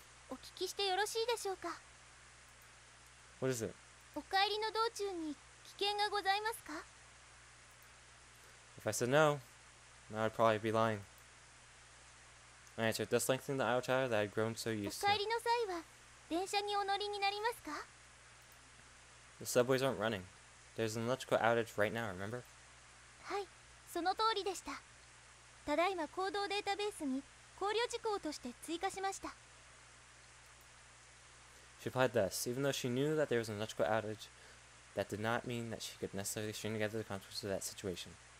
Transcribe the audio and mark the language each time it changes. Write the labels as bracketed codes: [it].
[ja] お客様、失礼ですが、お聞きしてよろしいでしょうか? [en] What is it? [ja] お帰りの道中に危険がございますか? [en] If I said no, then I'd probably be lying. I answered, thus lengthening the aisle chatter that I'd grown so used to. [ja] お帰りの際は電車にお乗りになりますか? [en] The subways aren't running. There's an electrical outage right now, remember? [ja] はい、その通りでした。ただいま行動データベースに考慮事項として追加しました。 [en] She replied thus, even though she knew that there was an electrical outage, that did not mean that she could necessarily string together the consequences of that situation.